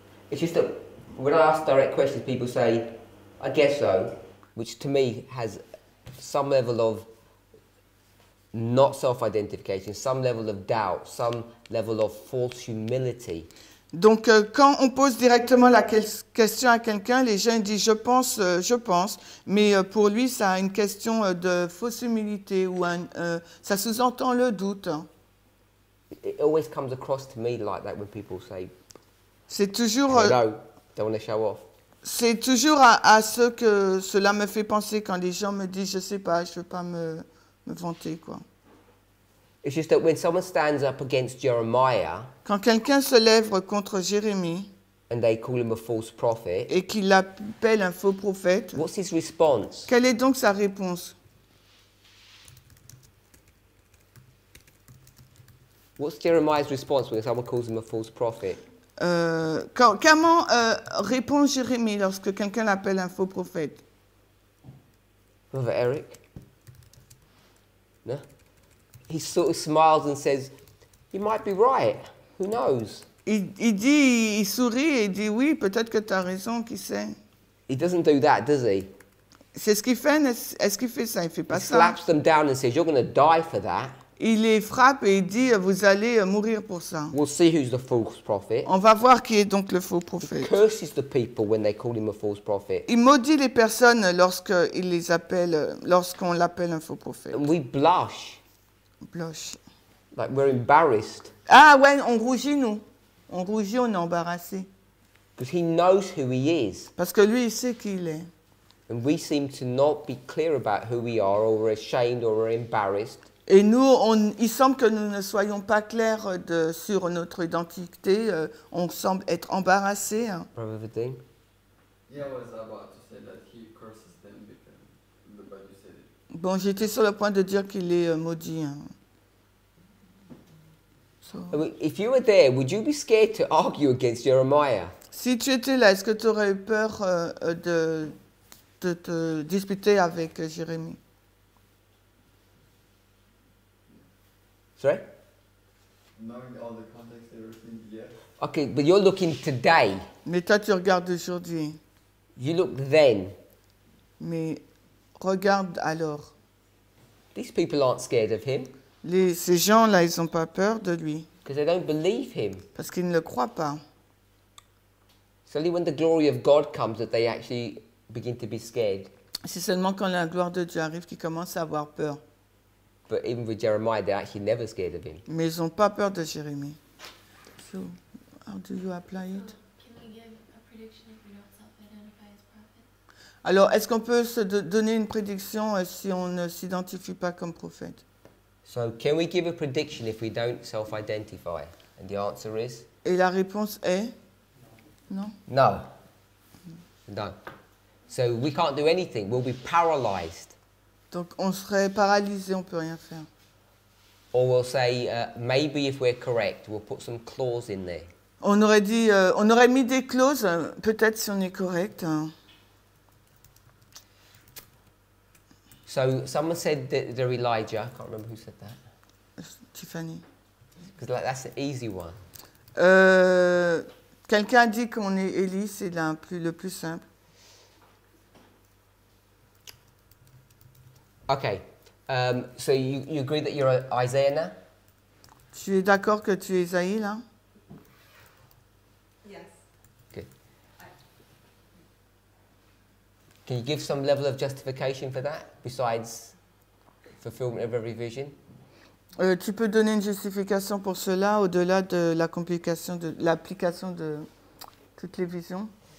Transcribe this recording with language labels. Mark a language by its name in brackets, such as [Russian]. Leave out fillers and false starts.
[English] It's just that when I ask direct questions, people say, I guess so, which to me has some level of not self-identification, some level of doubt, some level of false humility. [French] Donc, quand on pose directement la question à quelqu'un, les gens disent, je pense, mais pour lui, ça a une question de fausse humilité ou ça sous-entend le doute. [English] It always comes across to me like that when people say, [French] c'est toujours, [English] I don't know, don't want to show off. [French] C'est toujours à ce que cela me fait penser quand les gens me disent, je ne sais pas, je ne veux pas me vanter, quoi. [English] It's just that when someone stands up against Jeremiah, [French] quand quelqu'un se lève contre Jérémie, [English] and they call him a false prophet, [French] et qu'il l'appelle un faux prophète, [English] what's his response? [French] Quelle est donc sa réponse? [English] What's Jeremiah's response when someone calls him a false prophet? [French] Comment répond Jérémie lorsque quelqu'un l'appelle un faux prophète? [English] Brother Eric? No? He sort of smiles and says, "You might be right. Who knows?" [French] Il sourit et dit, oui, peut-être que tu as raison, qui sait. [English] He doesn't do that, does he? [French] C'est ce qu'il fait. Est-ce qu'il fait ça? Il fait pas ça. [English] He slaps them down and says, "You're going to die for that." [French] Il les frappe et dit, vous allez mourir pour ça. [English] We'll see who's the false prophet. [French] On va voir qui est donc le faux prophète. [English] He curses the people when they call him a false prophet. [French] Il maudit les personnes lorsqu'il les appelle, lorsqu'on l'appelle un faux prophète. [English] And we blush. Blush. Like we're embarrassed. [French] Ah ouais, on rougit nous. On rougit, on est embarrassé. [English] Because he knows who he is. [French] Parce que lui, il sait qui il est. [English] And we seem to not be clear about who we are, or we're ashamed, or we're embarrassed. [French] Et nous, il semble que nous ne soyons pas clairs sur notre identité. On semble être embarrassé. Hein. [English] Brother Vadim. Yeah, I was about to say that he curses them because nobody said it. [French] Bon, j'étais sur le point de dire qu'il est maudit. Hein. [English] So. I mean, if you were there, would you be scared to argue against Jeremiah? [French] Si tu étais là, est-ce que tu aurais eu peur de te disputer avec Jérémie? [English] Sorry? Knowing all the context, everything, yeah. Okay, but you're looking today. [French] Mais toi, tu regardes aujourd'hui. [English] You look then. [French] Mais regarde alors. [English] These people aren't scared of him. [French] Ces gens-là, ils n'ont pas peur de lui. [English] Because they don't believe him. [French] Parce qu'ils ne le croient pas. [English] It's only when the glory of God comes that they actually begin to be scared. [French] C'est seulement quand la gloire de Dieu arrive qu'ils commencent à avoir peur. [English] But even with Jeremiah, they're actually never scared of him. [French] Mais ils n'ont pas peur de Jérémie. [English] So, how do you apply it? Can you give a prediction if you don't self-identify as prophet? [French] Alors, est-ce qu'on peut se donner une prédiction si on ne s'identifie pas comme prophète? [English] So, can we give a prediction if we don't self-identify? And the answer is? [French] Et la réponse est? Non. [English] No. No. So, we can't do anything. We'll be paralyzed. [French] Donc on serait paralysé, on ne peut rien faire. [English] Or we'll say, maybe if we're correct, we'll put some clause in there. [French] On aurait mis des clauses, peut-être si on est correct. [English] So someone said that they're Elijah. I can't remember who said that. Tiffany. Because like, that's the easy one. [French] Quelqu'un dit qu'on est Élie, c'est le plus simple. [English] Okay. So you agree that you're Isaiah now? [French] Tu es d'accord que tu es Isaïe là? [English] Can you give some level of justification for that, besides fulfillment of every vision? [French] Tu peux donner une justification pour cela au-delà de la complication de l'application de toutes les visions?